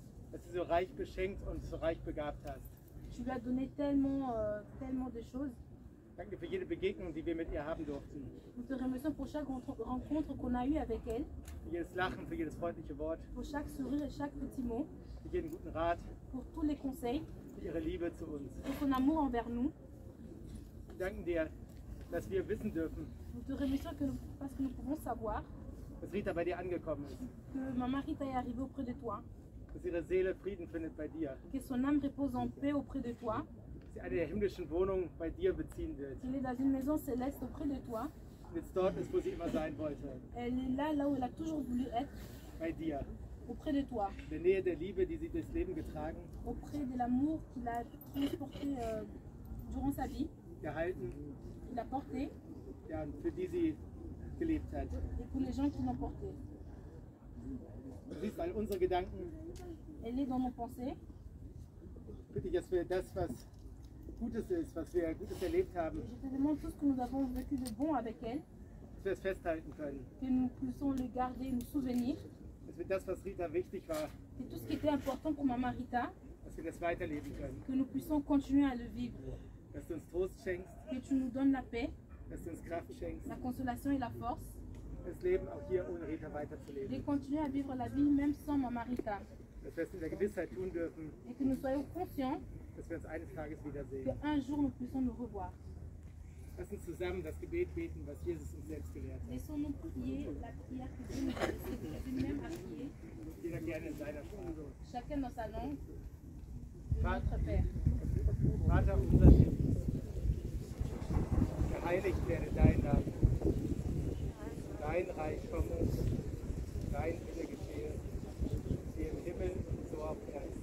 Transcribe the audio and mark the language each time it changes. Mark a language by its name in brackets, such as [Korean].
[German] Dass du so reich beschenkt und so reich begabt hast. [French] Tu lui as donné tellement, tellement de choses. [German] Danke für jede Begegnung, die wir mit ihr haben durften. [French] Nous te remercions pour chaque rencontre qu'on a eu avec elle. [German] Für jedes Lachen, für jedes freundliche Wort. [French] Pour chaque sourire et chaque petit mot. [German] Für jeden guten Rat. [French] Pour tous les conseils. [German] Für ihre Liebe zu uns. [French] Pour son amour envers nous. [German] Wir danken dir, dass wir wissen dürfen. [French] Nous te remercions que nous, parce que nous pouvons savoir. [German] Dass Rita bei dir angekommen ist. [French] Que Mama Rita est arrivée auprès de toi. [German] Dass ihre Seele Frieden findet bei dir. [French] Que son âme repose en paix auprès de toi. [German] Sie eine der himmlischen Wohnung bei dir beziehen wird. [French] Elle est dans une maison céleste auprès de toi. [German] Jetzt dort ist, wo sie immer sein wollte. [French] Elle est là, là où elle a toujours voulu être. [German] Bei dir. [French] Auprès de toi. [German] In der Nähe der Liebe, die sie durchs Leben getragen. [French] Auprès de l'amour qu'il a transporté durant sa vie. [German] Gehalten. [French] Qu'il a porté. [German] Ja, für die sie gelebt hat. [French] Et pour les gens qui l'ont porté. [German] Sie ist all unsere Gedanken. [French] Elle est dans nos pensées. [German] Bitte, dass wir das, was Gutes ist, was wir Gutes erlebt haben. [French] Je te demande tout ce que nous avons vécu de bon avec elle. [German] es festhalten können. [French] Que nous puissions le garder, nous souvenir. [German] Dass wir das, was Rita wichtig war. [French] Que tout ce qui était important pour Mama Rita. [German] Dass wir das weiterleben können. [French] Que nous puissions continuer à le vivre. [German] Dass du uns Trost schenkst. [French] Que tu nous donnes la paix. [German] Dass du uns Kraft schenkst. [French] La consolation et la force. [German] Das Leben auch hier ohne Rita weiterzuleben. [French] De continuer à vivre la vie même sans Mama Rita. [German] Dass wir es in der Gewissheit tun dürfen. [French] Et que nous soyons conscients. [German] Dass wir uns eines Tages wiedersehen. [French] Que un jour nous puissions nous revoir. [German] Lass uns zusammen das Gebet beten, was Jesus uns selbst gelehrt hat. [French] Laissons-nous prier la prière que Dieu nous a laissée, que Dieu même a prié. [German] Jeder gerne in seiner Sprache. [French] Chacun dans sa langue. Notre Père. [German] Vater unser Jesus. Geheiligt werde dein Name. Dein Reich komme. Dein Wille geschehe. Wie im Himmel, so auf Erden.